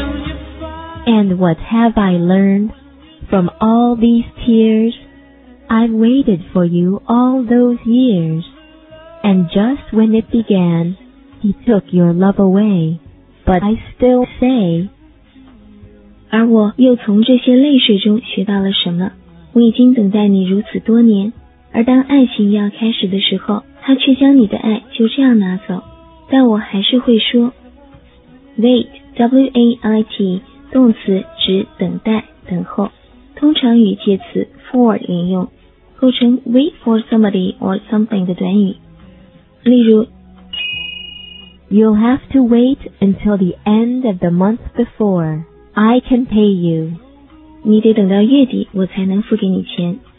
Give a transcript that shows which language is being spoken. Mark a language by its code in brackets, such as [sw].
[en] And what have I learned from all these tears? I've waited for you all those years. And just when it began, he took your love away. But I still say, [zh] 而我又从这些泪水中学到了什么？我已经等待你如此多年，而当爱情要开始的时候，他却将你的爱就这样拿走。但我还是会说 Wait, W-A-I-T动词指等待、等候，通常与介词 for 连用，构成 [en] wait for somebody or something [zh] 的短语。例如 [en] You'll have to wait until the end of the month before I can pay you. [zh] 你得等到月底我才能付给你钱。